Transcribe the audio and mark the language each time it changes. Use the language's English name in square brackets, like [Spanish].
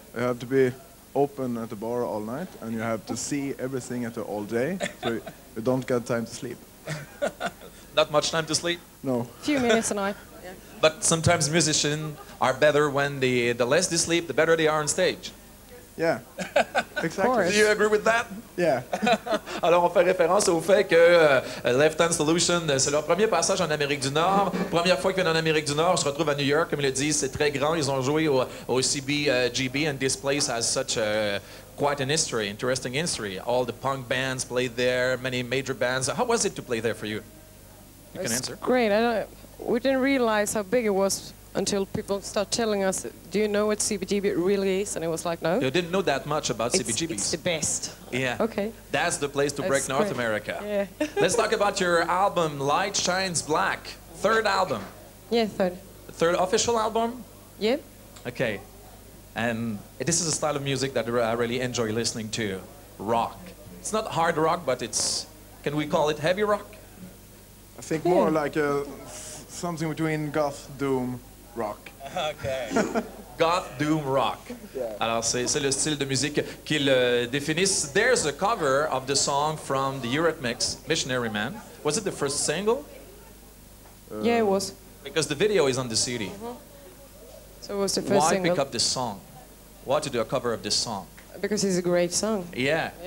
[English] You have to be open at the bar all night, and you have to see everything at the all day, so you don't get time to sleep. Not much time to sleep? No. A few minutes a night. Yeah. But sometimes musicians are better when the less they sleep, the better they are on stage. Yeah, exactly. Do you agree with that? Yeah. [French] Alors, on fait référence au fait que Left Hand Solution, c'est leur premier passage en Amérique du Nord. Première fois qu'ils viennent en Amérique du Nord, ils se retrouvent à New York, comme ils le disent, c'est très grand. Ils ont joué au CBGB, [English] and this place has such a quite an history, interesting history. All the punk bands played there, many major bands. How was it to play there for you? You it's can answer. Great. We didn't realize how big it was until people start telling us, do you know what CBGB really is? And it was like, no. You didn't know that much about CBGBs. It's the best. Yeah. Okay. That's the place to break North America. Yeah. Let's talk about your album, Light Shines Black. Third album. Yeah, third. Third official album? Yeah. Okay. And this is a style of music that I really enjoy listening to. Rock. It's not hard rock, but it's, can we call it heavy rock? I think more like something between goth, doom, rock. Okay. Goth, doom, rock. Yeah. [French] Alors, c'est le style de musique qu'ils définissent. [English] There's a cover of the song from the Eurythmics, Missionary Man. Was it the first single? Yeah, it was. Because the video is on the CD. Mm-hmm. So it was the first Why single? Why pick up this song? Why to do a cover of this song? Because it's a great song. Yeah.